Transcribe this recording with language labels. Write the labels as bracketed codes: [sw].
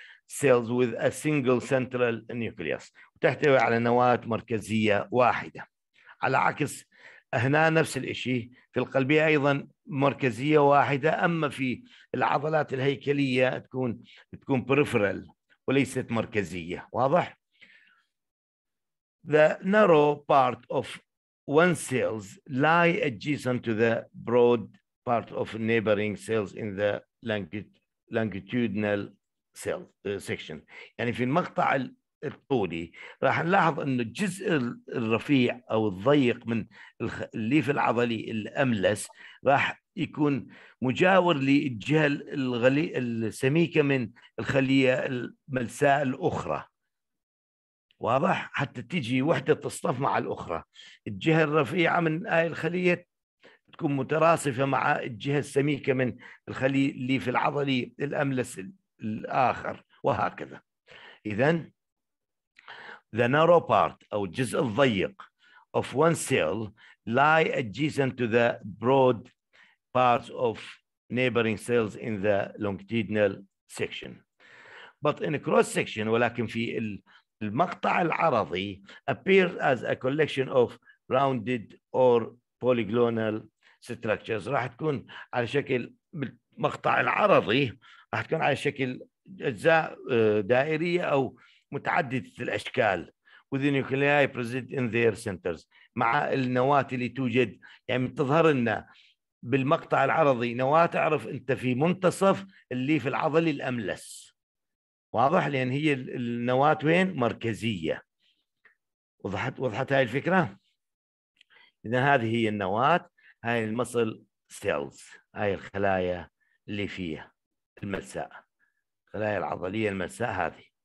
[en] cells with a single central nucleus [ar] وتحتوي على نواة مركزية واحدة. على عكس هنا نفس الإشي في القلبية أيضا مركزية واحدة، أما في العضلات الهيكلية تكون peripheral وليست مركزية. واضح؟ [en] The narrow part of one cells lie adjacent to the broad part of neighboring cells in the longitudinal cell section. [ar] يعني في المقطع الطولي راح نلاحظ أن الجزء الرفيع أو الضيق من الليف العضلي الأملس راح يكون مجاور للجهة السميكة من الخلية الملساء الأخرى. واضح؟ حتى تيجي وحدة تصطف مع الأخرى. الجهة الرفيعة من هاي الخلية تكون متراصفة مع الجهة السميكة من الخلية اللي في العضلي الأملس الآخر، وهكذا. [en] إذن the narrow part [ar] أو الجزء الضيق [en] of one cell lie adjacent to the broad parts of neighboring cells in the longitudinal section. But in a cross section [ar] ولكن في المقطع العرضي [en] appear as a collection of rounded or polygonal structures. [ar] راح تكون على شكل بالمقطع العرضي راح تكون على شكل أجزاء دائرية أو متعددة الأشكال. [en] With the nuclei present in their centers. [ar] مع النواة اللي توجد يعني تظهر لنا بالمقطع العرضي نواة تعرف أنت في منتصف الليف العضلي الأملس. واضح؟ لأن هي النواة وين؟ مركزية. وضحت هاي الفكرة؟ إذا هذه هي النواة، هاي المسل سيلز، هاي الخلايا اللي فيها الملساء، الخلايا العضلية الملساء هذه.